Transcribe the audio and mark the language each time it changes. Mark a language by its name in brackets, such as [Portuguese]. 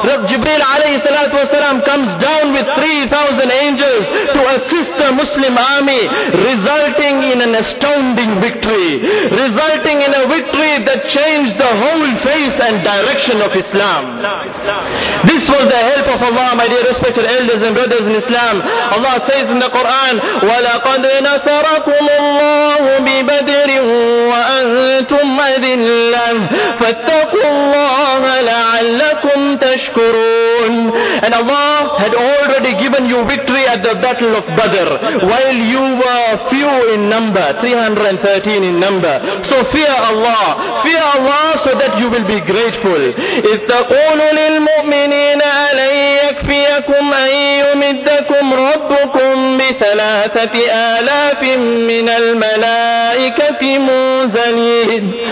[English] Jibreel alayhi salatu wa sallam comes down with 3,000 angels to assist the Muslim army, resulting in an astounding victory, resulting in a victory that changed the whole face and direction of Islam. This was the help of Allah, my dear respected elders and brothers in Islam. Allah says in the Quran, [Arabic] وَلَقَدْ نَصَرَكُمُ اللَّهُ بِبَدْرٍ وَأَنْتُمْ أَذِلَّةٌ فَاتَّقُوا اللَّهَ لَعَلَّكُمْ تَشْكُرُونَ. [English] And Allah had already given you victory at the Battle of Badr while you were few in number, 313 in number. So fear Allah so that you will be grateful. [Arabic] إِذْ تَقُولُ لِلْمُؤْمِنِينَ أَلَنْ يَكْفِيَكُمْ أَنْ يُمِدَّكُمْ رَبُّكُمْ بِثَلَاثَةِ آلَافٍ مِّنَ الْمَلَائِكَةِ مُنْزَلِينَ.